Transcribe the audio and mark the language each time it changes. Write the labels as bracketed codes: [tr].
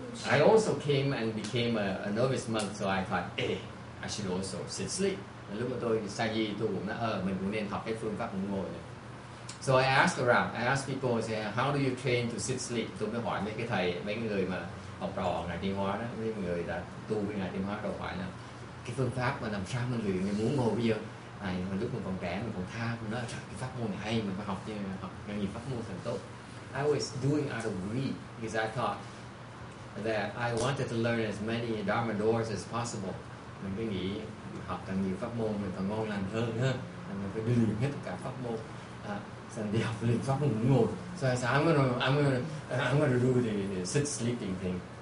[en] I also came and became a novice monk, so I thought, hey, I should also sit sleep. [vi] Lúc mà tôi sa di, tôi cũng nói, mình cũng nên học cái phương pháp ngủ ngồi. [en] So I asked around, I asked people, say, how do you train to sit sleep? [vi] Tôi mới hỏi mấy cái thầy, mấy người mà học trò ngài Tiên Hóa đó, mấy người đã tu với ngài Tiên Hóa đâu hỏi là cái phương pháp mà làm sao mình luyện muốn ngồi bây giờ. Này, lúc mình còn trẻ mình còn tha, mình nói cái pháp môn này hay, mình phải học, nhưng học cái gì pháp môn thành tốt. [en] I was doing out of greed because I thought that I wanted to learn as many Dharma doors as possible. [vi] Mình cứ nghĩ học càng nhiều pháp môn mình càng ngon lành hơn ha. Mình phải đi luyện hết cả pháp môn. Sẵn đi học luyện pháp môn ngồi. [en] So I said, I'm gonna do the sit sleeping thing.